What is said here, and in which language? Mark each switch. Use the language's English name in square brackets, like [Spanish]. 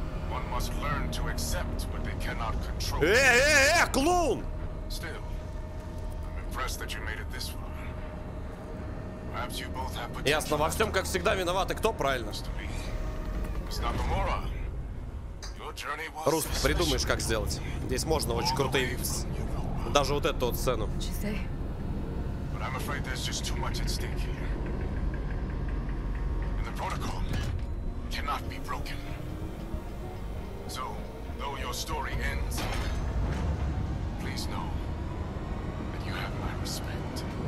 [English] One must learn to accept what they cannot control. [Russian] Клоун! [English] Still, I'm impressed that you made it this far. Perhaps you both have potential. [Russian] Ясно, во всем, как всегда, виноваты. Кто правильно? [English] It's not the moron. Your journey was... [Russian] Рус, придумаешь, как сделать. Здесь можно очень крутые... Даже вот эту вот сцену. [English] But I'm afraid there's just too much at stake here. Protocol cannot be broken. So, though your story ends, please know that you have my respect.